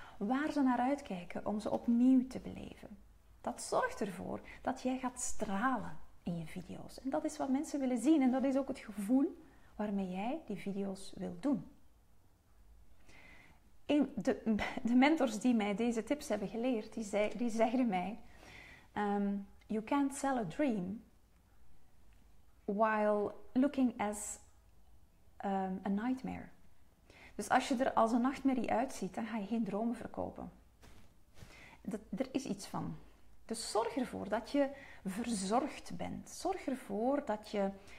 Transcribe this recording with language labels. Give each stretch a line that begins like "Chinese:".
Dutch: Waar ze naar uitkijken om ze opnieuw te beleven. Dat zorgt ervoor dat jij gaat stralen in je video's. En dat is wat mensen willen zien. En dat is ook het gevoel waarmee jij die video's wil doen. De mentors die mij deze tips hebben geleerd, die zeiden mij...
English: You can't sell a dream while looking as a nightmare.
Dutch: Dus als je er als een nachtmerrie uitziet, dan ga je geen dromen verkopen. Er is iets van. Dus zorg ervoor dat je verzorgd bent. Zorg ervoor dat je...